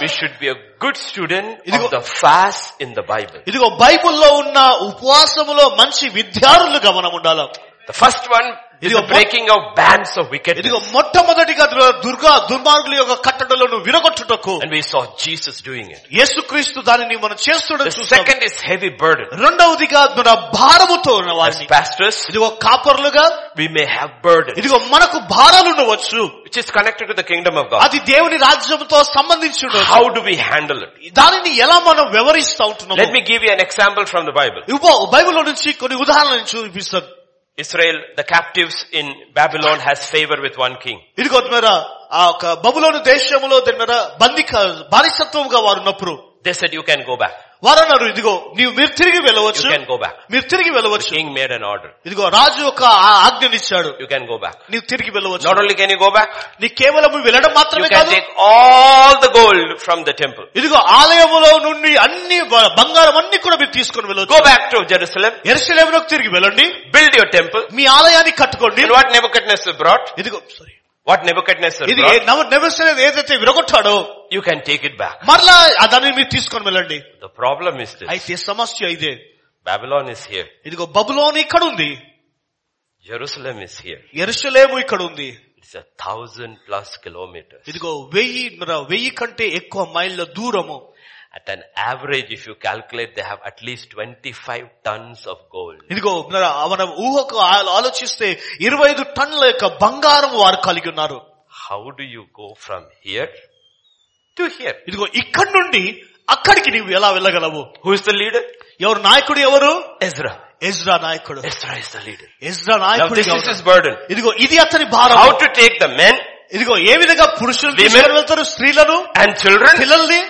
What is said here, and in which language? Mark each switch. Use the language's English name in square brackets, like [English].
[English] we should be a good student of the fast in the Bible. [Telugu] ఇదిగో బైబిల్లో ఉన్న ఉపవాసములో మంచి విద్యార్థులుగా మనం ఉండాలి. [English] The first one is the breaking of bands of wickedness. [Telugu] ఇదిగో మొట్టమొదటిగా దుర్గా దుర్మార్గుల యొక్క కట్టడలను విరగొట్టుటకు. [English] And we saw Jesus doing it. [Telugu] యేసుక్రీస్తు దానిని మనం చేస్తుండడం చూసాం. [English] The second is heavy burden. [Telugu] రెండవదిగా మన భారముతో ఉన్న వారిని. [English] As pastors, [Telugu] ఇదిగో కాపర్లుగా, [English] we may have burden. [Telugu] ఇదిగో మనకు భారాలు ఉండవచ్చు. [English] Which is connected to the kingdom of God. [Telugu] అది దేవుని రాజ్యముతో సంబంధించుండు. [English] How do we handle it? [Telugu] దానిని ఎలా మనం వివరిస్తా ఉంటున్నాము? [English] Let me give you an example from the Bible. [Telugu] ఇప్పుడు బైబిల్ నుంచి కొన్ని ఉదాహరణలు చూపిస్తాను. [English] Israel, the captives in Babylon, has favor with one king. [Telugu] ఇదిగో మరి బబులోను దేశములో దాని మీద బందిక బానిసత్వంగా వారు ఉన్నప్పుడు [English] They said you can go back. [Telugu] వారు అన్నారు ఇదిగో నీవు మీరు తిరిగి వెళ్ళవచ్చు. [English] You can go back. [Telugu] మీరు తిరిగి వెళ్ళవచ్చు. [English] King made an order. [Telugu] ఇదిగో రాజు ఒక ఆజ్ఞనిచ్చాడు. [English] You can go back. [Telugu] నీవు తిరిగి వెళ్ళవచ్చు. [English] Not only can you go back. [Telugu] నీ కేవలం వెళ్ళడం మాత్రమే కాదు. [English] You can take all the gold from the temple. [Telugu] ఇదిగో ఆలయములో నుండి అన్ని బంగారం అన్ని కూడా మీరు తీసుకుని వెళ్ళవచ్చు. [English] Go back to Jerusalem. [Telugu] యెరూషలేములోకి తిరిగి వెళ్ళండి. [English] Build your temple. [Telugu] మీ ఆలయాన్ని కట్టుకోండి. [English] What Nebuchadnezzar brought. [Telugu] ఇదిగో sorry. [English] What Nebuchadnezzar brought, you can take it back. [Telugu] Marla adani meer teeskon velandi. [English] The problem is this. [Telugu] Aithe samasya ide. [English] Babylon is here. [Telugu] Idigo Babylon ikkada undi. [English] Jerusalem is here. [Telugu] Yerushalayim ikkada undi. [English] It's 1,000+ kilometers. [Telugu] Idigo 1000 kante ekkuva mile dooramu. [English] At an average, if you calculate, they have at least 25 tons of gold. [Telugu] ఇదిగో మీరు అవనం ఊహకు ఆలోచిస్తే 25 టన్ల యొక్క బంగారం వారు కలిగి ఉన్నారు. [English] How do you go from here to here? [Telugu] ఇదిగో ఇక్కడ నుండి అక్కడికి నువ్వు ఎలా వెళ్ళగలవు? [English] Who is the leader? [Telugu] ఎవరు నాయకుడు? ఎవరు? [English] Ezra. [Telugu] Ezra నాయకుడు. [English] Ezra is the leader. [Telugu] Ezra నాయకుడు. [English] Now this is his burden. [Telugu] ఇదిగో ఇది అతని భారం. [English] How to take the men? [Telugu] ఇదిగో ఏ విధంగా పురుషులు వెళ్తారు, స్త్రీలను [English] and children, [Telugu] పిల్లల్ని